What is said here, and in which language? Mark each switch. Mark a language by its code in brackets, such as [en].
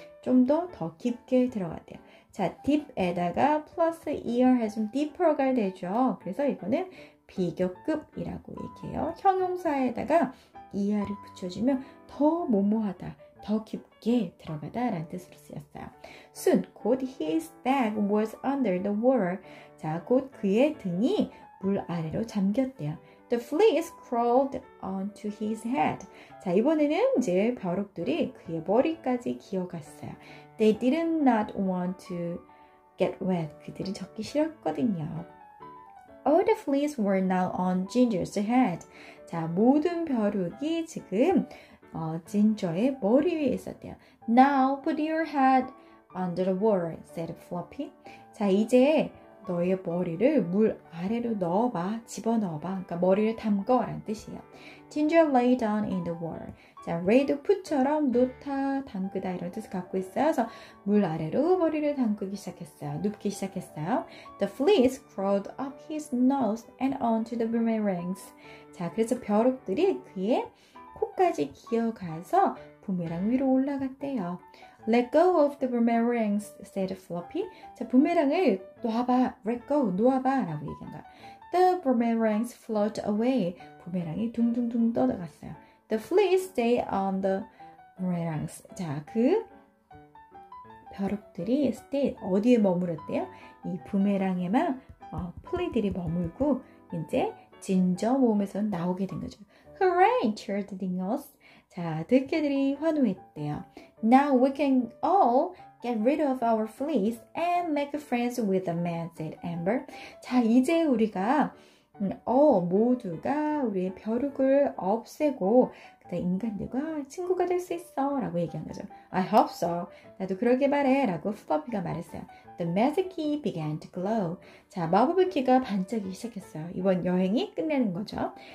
[ko] 좀 더 깊게 들어갔대요. 자, deep에다가 플러스 ear 해서 deeper가 되죠. 그래서 이거는 비교급이라고 얘기해요. 형용사에다가 ER을 붙여주면 더 모모하다, 더 깊게 들어가다 라는 뜻으로 쓰였어요. [en] Soon, [ko] 곧 [en] his back was under the water. [ko] 자, 곧 그의 등이 물 아래로 잠겼대요. [en] The fleas crawled onto his head. [ko] 자, 이번에는 이제 벼룩들이 그의 머리까지 기어갔어요. [en] They did not want to get wet. [ko] 그들이 젖기 싫었거든요. [en] All the fleas were now on Ginger's head. [ko] 자, 모든 벼룩이 지금 진저의 머리 위에 있었대요. [en] Now put your head under the water, said Floppy. [ko] 자, 이제 너의 머리를 물 아래로 넣어봐, 집어넣어봐. 그러니까 머리를 담궈 라는 뜻이에요. [en] Ginger lay down in the water. [ko] 자, red put처럼 놓다, 담그다 이런 뜻을 갖고 있어요. 그래서 물 아래로 머리를 담그기 시작했어요. 눕기 시작했어요. [en] The fleas crawled up his nose and onto the boomerangs. [ko] 자, 그래서 벼룩들이 그의 코까지 기어가서 부메랑 위로 올라갔대요. [en] Let go of the boomerang, said Floppy. [ko] 자, 부메랑을 놔봐. [en] Let go, [ko] 놓아봐. 라고 얘기한 거야. [en] The boomerangs float away. [ko] 부메랑이 둥둥둥 떠나갔어요. [en] The fleas stay on the boomerangs. [ko] 자, 그 벼룩들이 stay, 어디에 머물었대요? 이 부메랑에만 플리들이 머물고 이제 진저 몸에서 나오게 된 거죠. [en] Hooray! cheered the dingles. [ko] 자, 들개들이 환호했대요. [en] Now we can all get rid of our fleas and make friends with the man, said Amber. [ko] 자, 이제 우리가 모두가 우리의 벼룩을 없애고 그다음 인간들과 친구가 될 수 있어 라고 얘기한 거죠. [en] I hope so. [ko] 나도 그러게 바래 라고 플로피가 말했어요. [en] The magic key began to glow. [ko] 자, 마법의 키가 반짝이기 시작했어요. 이번 여행이 끝내는 거죠.